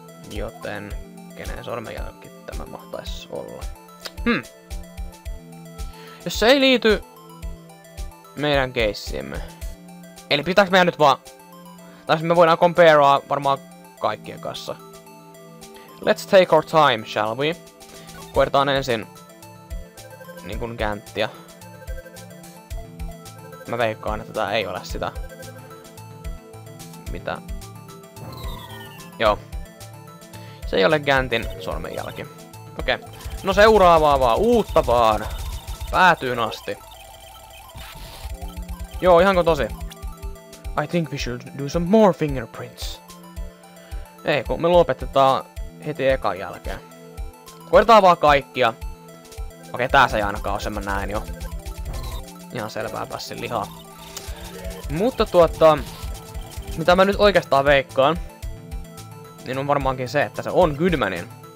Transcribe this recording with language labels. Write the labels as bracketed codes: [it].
[fi] Joten, kenen sormenjälki tämä mahtaisi olla? Jos se ei liity meidän keissiimme. Eli pitääks meidän nyt vaan... Tai me voidaan comparea varmaan kaikkien kanssa. [en] Let's take our time, shall we? [fi] Koitetaan ensin... Niin kun känttiä. Mä veikkaan, että tää ei ole sitä. Mitä? Joo. Se ei ole Gantin sormenjälki. Okei. No seuraavaa vaan, uutta vaan. Päätyyn asti. Joo, ihanko tosi. [en] I think we should do some more fingerprints. [fi] Ei, kun me lopetetaan heti ekan jälkeen. Koitetaan vaan kaikkia. Okei, tää se ei ainakaan ole, sen mä näen jo. Ihan selvää pässin lihaa. Mutta mitä mä nyt oikeastaan veikkaan, niin on varmaankin se, että se on Goodmanin.